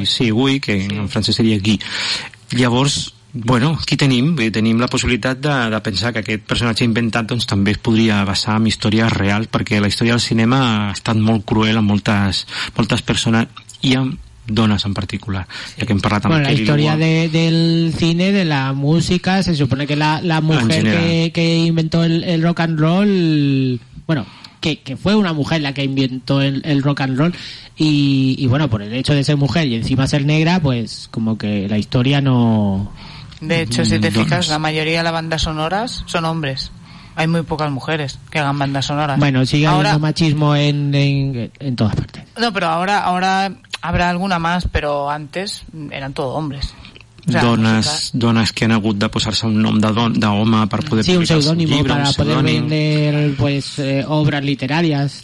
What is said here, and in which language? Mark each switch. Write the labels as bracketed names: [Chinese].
[Catalan] Guy, que en francès seria Guy. Llavors, bueno, aquí tenim, tenim la possibilitat de pensar que aquest personatge inventat doncs també es podria basar en històries reals, perquè la història del cinema ha estat molt cruel amb moltes persones i amb dones en particular, sí. Ja que hem parlat amb [Spanish] la història del cine, de la música, se supone que la mujer que inventó el rock and roll, bueno, que fue una mujer la que inventó el rock and roll, y bueno, por el hecho de ser mujer y encima ser negra, pues como que la historia no... De hecho, si te fijas, la mayoría de las bandas sonoras son hombres. Hay muy pocas mujeres que hagan bandas sonoras. Bueno, sigue ahora, habiendo machismo en todas partes. No, pero ahora habrá alguna más, pero antes eran todo hombres. O sea, [Catalan] dones que han hagut de posar-se un nom d'home per poder publicar un pseudònim, per poder [Spanish] vender pues, [Catalan] obres literàries.